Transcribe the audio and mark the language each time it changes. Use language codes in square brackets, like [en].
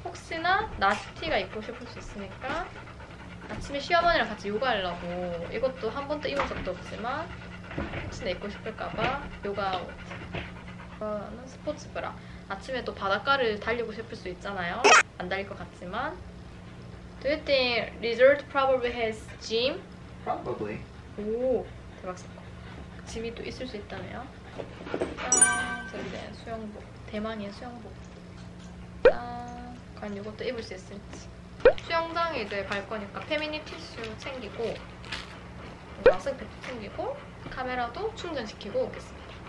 [ko] 혹시나 나스티가 입고 싶을 수 있으니까 아침에 시어머니랑 같이 요가하려고 이것도 한 번도 입은 적도 없지만 혹시나 입고 싶을까봐 요가옷. 이거는 스포츠 브라. 아침에 또 바닷가를 달리고 싶을 수 있잖아요. 안 달릴 것 같지만. [en] Do you think resort probably has gym? Probably. [ko] 오 대박 성공. 짐이 또 있을 수 있다네요. 짠. 이제 수영복. 대망의 수영복. 짠. 과연 이것도 입을 수 있을지. 수영장에 이제 갈 거니까 페미니 티슈 챙기고 마스크팩도 챙기고 카메라도 충전시키고 오겠습니다.